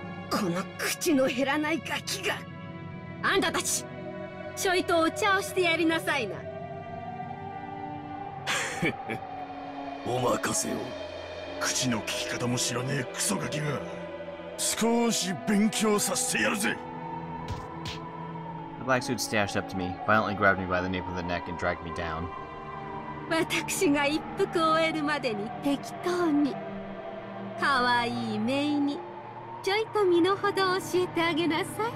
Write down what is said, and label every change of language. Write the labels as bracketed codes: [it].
[ja] この口の減らないガキが！あんたたち、ちょいとお茶をしてやりなさいな。お任せを。口の聞き方も知らねえクソガキが。少し勉強させてやるぜ。 [en] The black suit dashed up to me, violently grabbed me by the nape of the neck and dragged me down. [ja] 私が一服を終えるまでに適当に。かわいいメイに、ちょいと身の程を教えてあげなさい。